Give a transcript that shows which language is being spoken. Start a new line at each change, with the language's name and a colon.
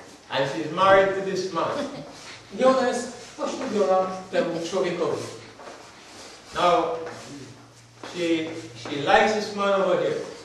English: And she's married to this man.
Polish: I ona jest poślubiona temu człowiekowi.
English: Now, she likes this man over here.